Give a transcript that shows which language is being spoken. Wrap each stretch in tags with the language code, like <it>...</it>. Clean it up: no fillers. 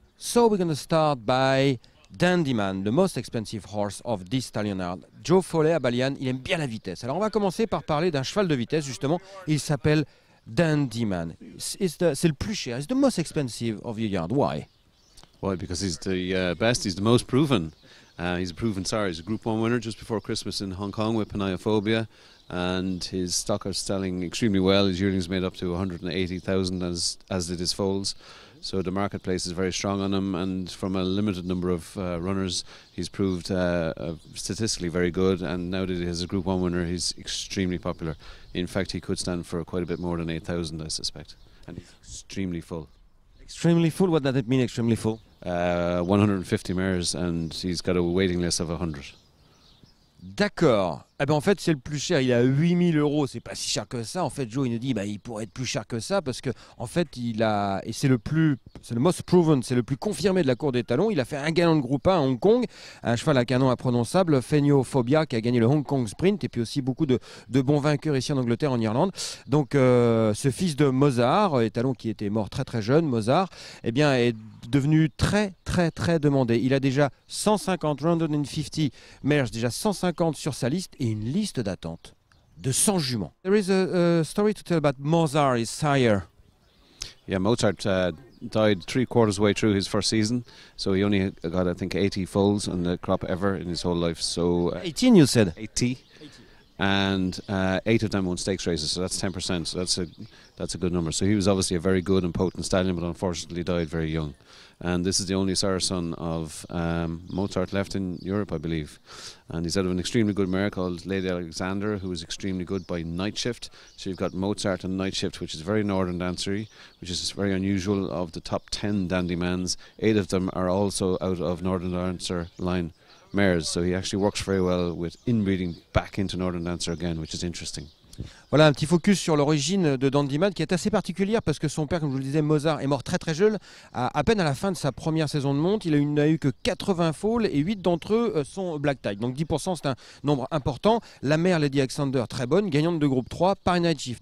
<en>So we're going to start by Dandyman, the most expensive horse of this stallion art.</en> <fr>Joe Foley à Balian, il aime bien la vitesse. Alors on va commencer par parler d'un cheval de vitesse, justement. Il s'appelle Dandyman. C'est le plus cher.</fr> <en>It's the most expensive of the yard. Why? Why? Because he's the best. He's the most proven. He's a proven sire. He's a Group 1 winner just before Christmas in Hong Kong with Panaiophobia. And his stock is selling extremely well. His yearlings made up to 180,000, as did his foals. So the marketplace is very strong on him, and from a limited number of runners, he's proved statistically very good. And now that he has a Group 1 winner, he's extremely popular. In fact, he could stand for quite a bit more than 8,000, I suspect. And he's extremely full. Extremely full? What does it mean, extremely full? 150 mares, and he's got a waiting list of 100.</en> <fr>D'accord. Eh ben en fait, c'est le plus cher. Il a 8000 euros. C'est pas si cher que ça. En fait, Joe, il nous dit, bah, il pourrait être plus cher que ça parce que, en fait, il a. Et c'est le plus. C'est le</fr> <en>most proven.</en> <fr>C'est le plus confirmé de la cour des talons. Il a fait un gagnant de groupe 1 à Hong Kong. Un cheval avec un nom imprononçable, Feniophobia, qui a gagné le Hong Kong Sprint. Et puis aussi beaucoup de bons vainqueurs ici en Angleterre, en Irlande. Donc, ce fils de Mozart, étalon qui était mort très très jeune, Mozart, eh bien, est devenu très très très demandé. Il a déjà 150 mares, déjà 150 sur sa liste. Et une liste d'attente de 100 juments.</fr> <en>There is a story to tell about Mozart, his sire. Yeah, Mozart died 3/4 of the way through his first season, so he only got, I think, 80 foals on the crop ever in his whole life. So 18, you said? 80. And 8 of them won stakes races, so that's 10%, so that's a good number. So he was obviously a very good and potent stallion, but unfortunately died very young. And this is the only sire son of Mozart left in Europe, I believe. And he's out of an extremely good mare called Lady Alexander, who is extremely good by night shift. So you've got Mozart and night shift, which is very northern dancery, which is very unusual of the top 10 dandymans. 8 of them are also out of northern dancer line mares. So he actually works very well with inbreeding back into northern dancer again, which is interesting.</en> <fr>Voilà un petit focus sur l'origine de Dandyman qui est assez particulière parce que son père, comme je vous le disais, Mozart, est mort très très jeune, à peine à la fin de sa première saison de monte. Il n'a eu que 80 foals et 8 d'entre eux sont black tie. Donc 10% c'est un nombre important. La mère Lady Alexander, très bonne, gagnante de groupe 3 par Night Shift.</fr>